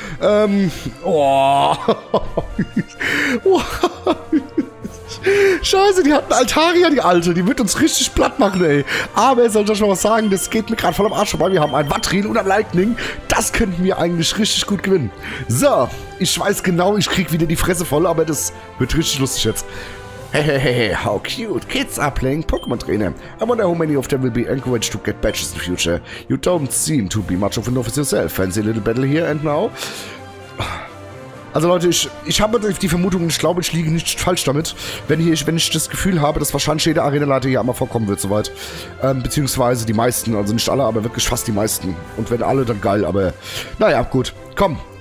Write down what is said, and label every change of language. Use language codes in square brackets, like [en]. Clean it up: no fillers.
[de] Scheiße, die hat eine Altaria, die Alte. Die wird uns richtig platt machen, ey. Aber soll ich euch mal was sagen? Das geht mir gerade voll am Arsch vorbei. Wir haben ein Vatril und ein Lightning. Das könnten wir eigentlich richtig gut gewinnen. So, ich weiß genau, ich krieg wieder die Fresse voll, aber das wird richtig lustig jetzt. [en] Hehehehe, how cute. Kids are playing Pokémon Trainer. I wonder how many of them will be encouraged to get badges in the future. You don't seem to be much of a novice yourself. Fancy a little battle here and now. [de] Also Leute, ich habe die Vermutung, ich glaube, ich liege nicht falsch damit, wenn ich das Gefühl habe, dass wahrscheinlich jede Arena-Leiter hier einmal vorkommen wird, soweit. Beziehungsweise die meisten, also nicht alle, aber wirklich fast die meisten. Und wenn alle, dann geil, aber naja, gut, komm.